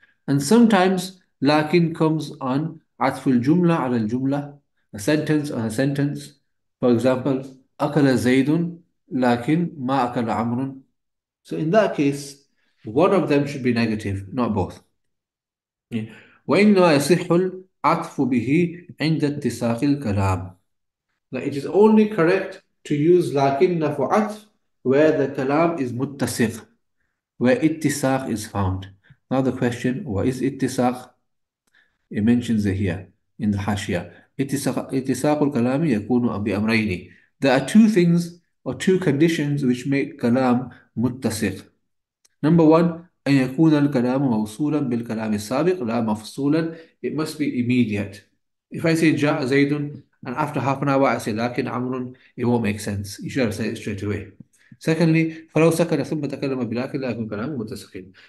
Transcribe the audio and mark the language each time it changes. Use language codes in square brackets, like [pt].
[en] And sometimes lakin comes on atful jumla al jumla. A sentence on a sentence. For example, [ar] أكل زيد لكن ما أكل عمرو. [en] So in that case, one of them should be negative, not both. [ar] وإنما يصح العطف به عند اتساق الكلام. [en] That it is only correct to use لكن for عطف where the كلام is متسق, where اتساق is found. Now the question, what is اتساق? It mentions it here in the Hashia. [ar] اتساق الكلام يكون بأمرين. [en] There are two things or two conditions which make كلام متسق. Number one, [ar] أن يكون الكلام موصولا بالكلام السابق لا مفصولا. [en] It must be immediate. If I say [ar] جاء زيد [en] and after half an hour I say [ar] لكن عمرو, [en] it won't make sense. You should have said it straight away. Secondly, [ar] فلو سكن ثم تكلم بلكن لا يكون كلام متسقين.